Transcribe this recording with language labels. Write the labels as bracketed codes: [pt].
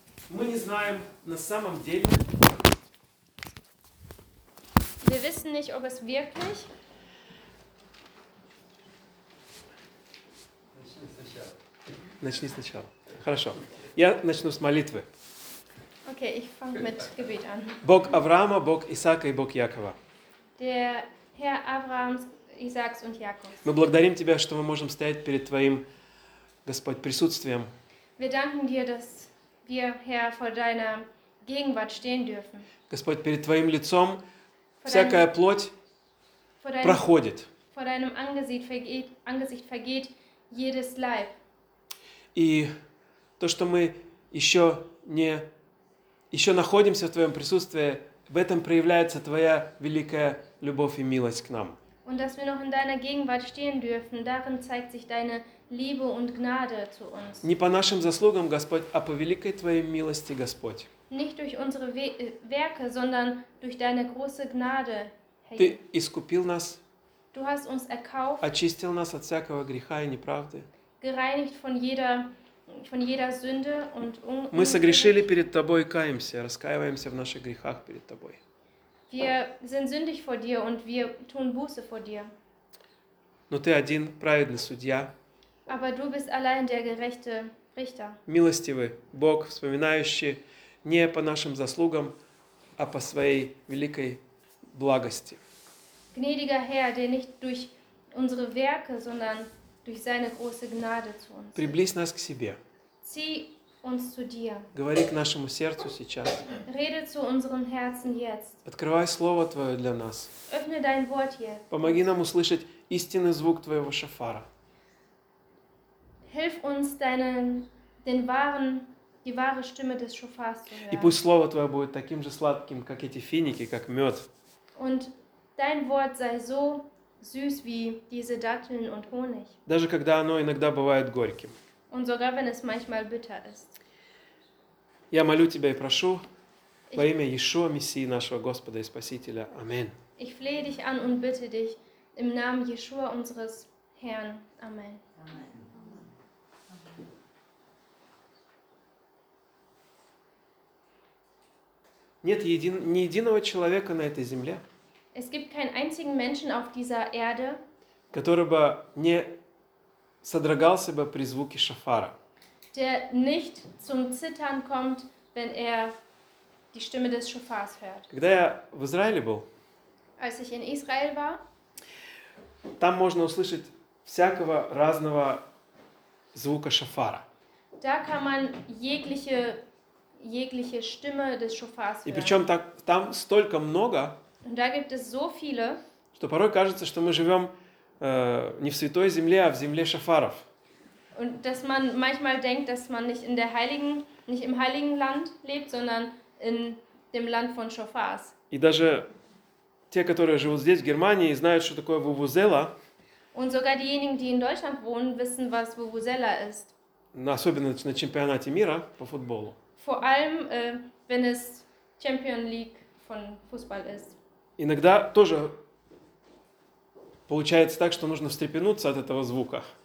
[ru] Мы не знаем на самом деле. [de] Wir wissen nicht, ob es wirklich. [ru] Начни сначала. Хорошо. Я начну с молитвы. [de] Okay, ich fange mit Gebet an. [ru] Бог Авраама, Бог Исаака и Бог Якова. [de] Der Herr Abrahams, Isaaks und Jakobs. [ru] Мы благодарим Тебя, что мы можем стоять перед Твоим, Господь, присутствием. [de] Wir danken dir, dass wir, Herr, vor deiner Gegenwart stehen dürfen. [ru] Господь, перед Твоим лицом всякая плоть проходит. [de] Vor deinem Angesicht vergeht jedes Leib. [ru] И то, что мы еще находимся в Твоем присутствии, в этом проявляется Твоя великая любовь и милость к нам. [de] Und dass wir noch in deiner Gegenwart stehen dürfen, darin zeigt sich deine Liebe und Gnade zu uns. [ru] Не по нашим заслугам, Господь, а по великой Твоей милости, Господь. [de] Nicht durch unsere Werke, sondern durch deine große Gnade, [ru] Herr. Ты искупил нас. [de] Du hast uns erkauft. [ru] Очистил нас от всякого греха и неправды. [de] Gereinigt von jeder Sünde und [ru] Мы согрешили перед Тобой и каемся, раскаиваемся в наших грехах перед Тобой. [de] Wir sind sündig vor dir und wir tun Buße vor dir. [ru] Но ты один праведный судья. [de] Aber du bist allein der gerechte Richter. [ru] Милостивый Бог, вспоминающий не по нашим заслугам, а по своей великой благости. [de] Gnädiger Herr, der nicht durch unsere Werke, sondern durch seine große Gnade zu uns. [ru] Приблизь нас к себе. [de] Zieh uns zu dir. [ru] Говори к нашему сердцу сейчас. [de] Rede zu unserem Herzen jetzt. [ru] Открывай слово твое для нас. [de] Öffne dein Wort jetzt. [ru] Помоги нам услышать истинный звук твоего шофара. [de] Hilf uns die wahre Stimme des Schofars zu hören. [ru] И пусть слово твое будет таким же сладким, как эти финики, как мед. [de] Und dein Wort sei so süß wie diese Datteln und Honig. [ru] Даже когда оно иногда бывает горьким. [de] Und sogar wenn es manchmal bitter ist. [ru] Я молю тебя и прошу во имя Иешуа Мессии нашего Господа и Спасителя. Аминь. [de] Ich flehe dich an und bitte dich im Namen Jeshua unseres Herrn. Amen. Amen. [ru] Нет ни единого человека на этой земле. [de] Es gibt keinen einzigen Menschen auf dieser Erde, [ru] который бы не содрогался бы при звуке шофара. [de] Der nicht zum Zittern kommt, wenn er die Stimme des Schofars hört. [ru] Когда я в Израиле был, [de] Als ich in Israel war, [ru] там можно услышать всякого разного звука шофара. [de] Da kann man jegliche Stimme des Schofars hören. [ru] И причем там столько много, [de] Und da gibt es so viele, [ru] что порой кажется, что мы живем не в святой земле, а в земле шофаров. [de] Und dass man manchmal denkt, dass man nicht im heiligen Land lebt, sondern in dem Land von Schofars. [ru] И даже те, которые живут здесь, в Германии, знают, что такое вувузела. [de] Und sogar diejenigen, die in Deutschland wohnen, wissen, was вувузела ist. [ru] Особенно на чемпионате мира по футболу. [de] Vor allem, wenn es Champion League von Fußball ist. [ru] Иногда тоже получается так, что нужно встрепенуться от этого звука.